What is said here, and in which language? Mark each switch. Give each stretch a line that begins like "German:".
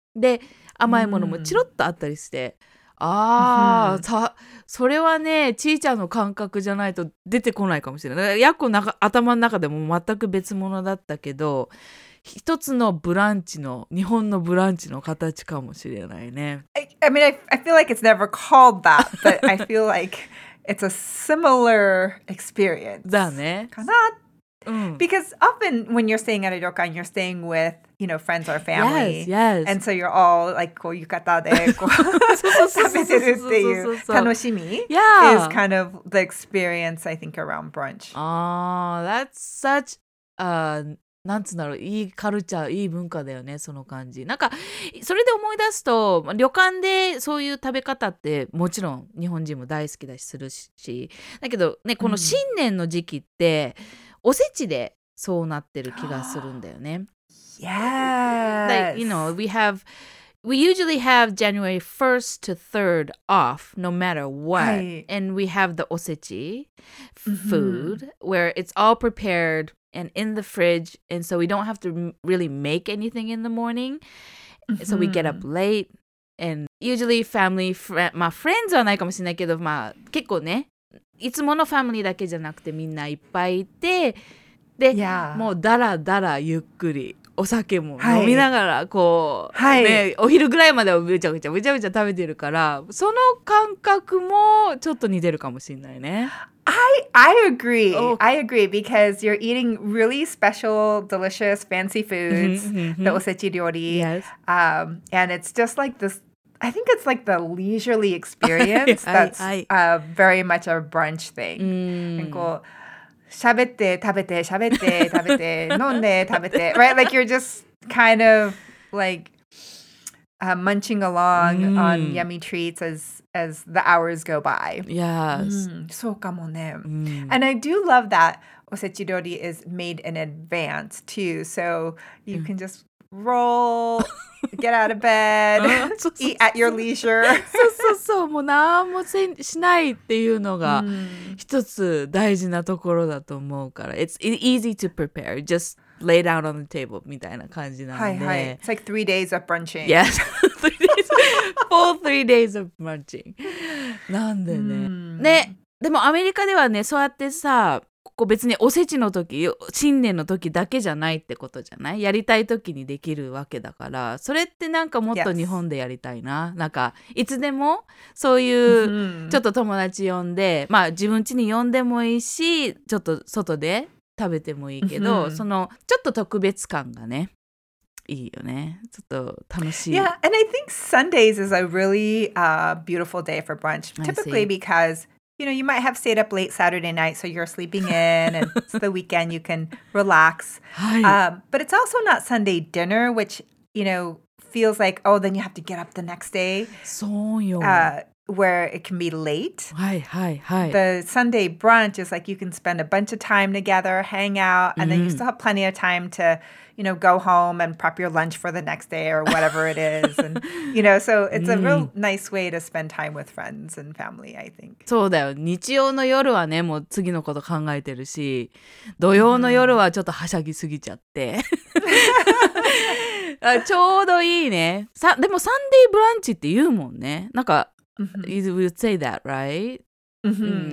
Japanese: で甘いものもチロッとあったりして、うん、あー、うん、それはねちーちゃんの感覚じゃないと出てこないかもしれない。やっこ頭の中でも全く別物だったけど、一つのブランチの、日本のブランチの形かもしれないね。
English: I mean, I feel like it's never called that, but I feel like it's a similar experience.
Japanese: だね。かな、うん、
English: Because often when you're staying at a 旅館, you're staying with, you know, friends or family. Yes, yes. And so you're all, like,
Japanese: こう浴衣でこう食べてるっていう楽しみ
English: Yeah. is kind of the experience, I think, around brunch. Oh, that's such a...
Japanese: なんつうんだろう、いいカルチャー、いい文化だよね、その感じ。なんかそれで思い出すと、旅館でそういう食べ方ってもちろん日本人も大好きだしするし、だけどね、この新年の時期って、うん、おせちでそうなってる気がするんだよね。
English: Yes! Like, you know, we usually have January 1st to 3rd off, no matter what.、
Japanese: はい、
English: and we have the おせち food, where it's all prepared. And in the fridge, and so we don't have to really make anything in the morning. Mm-hmm. So we get up late, and usually family,
Japanese: まあ friends はないかもしれないけど、まあ結構ね、いつものファミリーだけじゃなくてみんないっぱいいて、で、
English: yeah.
Japanese: もうだらだらゆっくりお酒も飲みながらこう、はい、ね、お昼ぐらいまではぶちゃぶちゃ食べてるから、その感覚もちょっと似てるかもしれないね。
English: I agree. Okay. I agree because you're eating really special, delicious, fancy foods, the osechi ryori. Yes. And it's just like this, I think it's like the leisurely experience that's very much a brunch thing. Mm. And go,
Japanese: shabete, tabete, shabete, tabete, nonde, tabete,
English: right? Like you're just kind of like munching along、mm. on yummy treats as the hours go by. Yes.、Mm.
Japanese: そうかもね。Mm.
English: And I do love that osechidori is made in advance too. So you、mm. can just roll, get out of bed, eat at your leisure.
Japanese: そうそうそう。もう何もしないっていうのが一つ大事なところだと思うから。
English: It's easy to prepare. Just... lay down on the table
Japanese: みたいな感じなんで、はいはい、
English: It's like 3 days of brunching. Yes, three days of brunching.
Japanese: なんでね、mm. ね、でもアメリカではね、そうやってさ、ここ別におせちの時、新年の時だけじゃないってことじゃない？やりたい時にできるわけだから、それってなんかもっと日本でやりたいな。 Yes. なんかいつでもそういうちょっと友達呼んで、まあ自分家に呼んでもいいし、ちょっと外で。食べてもいいけど、mm-hmm. そのちょっと特別感がね、いいよね。ちょっと楽しい。
English: Yeah, and I think Sundays is a really、beautiful day for brunch. Typically because, you know, you might have stayed up late Saturday night, so you're sleeping in, and it's the weekend, you can relax. 、but it's also not Sunday dinner, which, you know, feels like, oh, then you have to get up the next day.
Japanese: そうよ。
English: Where it can be late. Hi, hi, hi. The Sunday brunch is like you can spend a bunch of time together, hang out, and、mm. then you still have plenty of time to, you know, go home and prep your lunch for the next day or whatever it is. And, you know, so it's、mm. a real nice way to spend time with friends and family, I think.
Japanese: そうだよ。日曜の夜はね、もう次のこと考えてるし、土曜の夜はちょっとはしゃぎすぎちゃって。ちょうどいいね。さ、でもサンデーブランチって言うもんね。
English: なんか、Mm-hmm. You would say that, right? Mm-hmm.